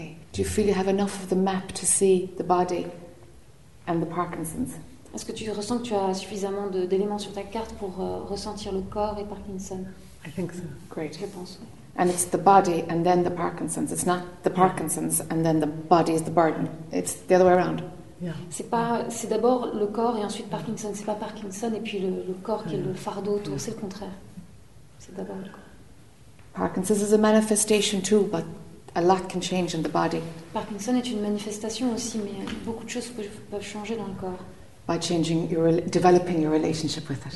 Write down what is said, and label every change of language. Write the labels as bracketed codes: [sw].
[en] Do you feel you have enough of the map to see the body and the Parkinson's? [fr] Est-ce que tu ressens que tu as suffisamment d'éléments sur ta carte pour ressentir le corps et Parkinson? [en] I think so. Great. [fr] Je pense. [en] And it's the body and then the Parkinson's. It's not the Parkinson's and then the body is the burden. It's the other way around. Yeah. [fr] C'est d'abord le corps et ensuite Parkinson. C'est pas Parkinson et puis le corps qui est le fardeau autour. Yeah. C'est le contraire. C'est d'abord le corps. [en] Parkinson's is a manifestation too, but a lot can change in the body. [fr] Parkinson est une manifestation aussi, mais beaucoup de choses peuvent changer dans le corps. [en] By changing your, developing your relationship with it.